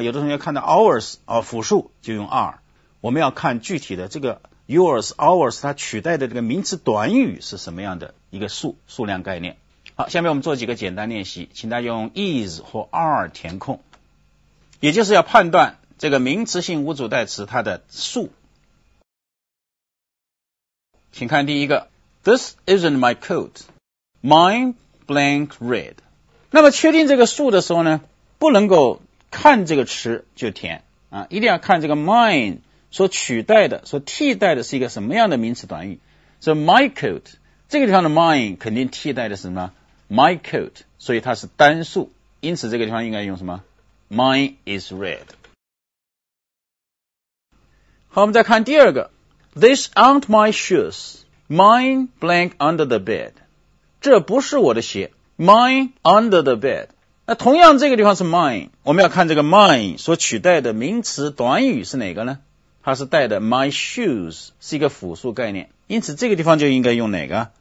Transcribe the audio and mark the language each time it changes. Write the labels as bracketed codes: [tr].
[zh] 有的同学看到 ours 啊，复数就用 are， 我们要看具体的这个 yours ours 它取代的这个名词短语是什么样的一个数量概念。好，下面我们做几个简单练习，请大家用 is 或 are 填空，也就是要判断这个名词性无主代词它的数。请看第一个， [en] This isn't my coat, mine blank red。 [zh] 那么确定这个数的时候呢，不能够看这个词就填啊，一定要看这个 mine 所取代的、所替代的是一个什么样的名词短语。所以 my coat 这个地方的 mine 肯定替代的是什么？ my coat，所以它是单数，因此这个地方应该用什么？ [en] mine is red。 [zh] 好，我们再看第二个， [en] These aren't my shoes, mine blank under the bed。 [zh] 这不是我的鞋， mine under the bed。那同样这个地方是 mine，我们要看这个 mine 所取代的名词短语是哪个呢？它是带的 my shoes，是一个复数概念，因此这个地方就应该用哪个？